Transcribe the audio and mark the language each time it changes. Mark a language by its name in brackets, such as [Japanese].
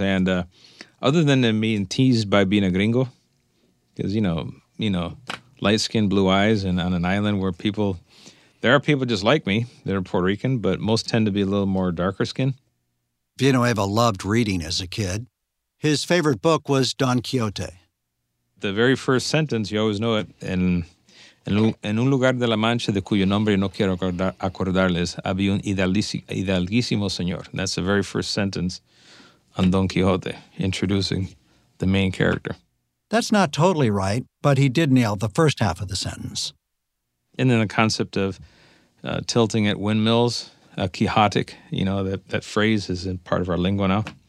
[English] And other than them being teased by being a gringo, because, you know, light skin, blue eyes, and on an island where there are people just like me that are Puerto Rican, but most tend to be a little more darker skin. Villanueva loved reading as a kid. His favorite book was Don Quixote. The very first sentence, you always know it. [Spanish] En un lugar de la Mancha de cuyo nombre no quiero acordarles, había un hidalguísimo señor. [English] And that's the very first sentence on Don Quixote, introducing the main character. That's not totally right, but he did nail the first half of the sentence. And then the concept of tilting at windmills, quixotic, you know, that phrase is in part of our lingua now.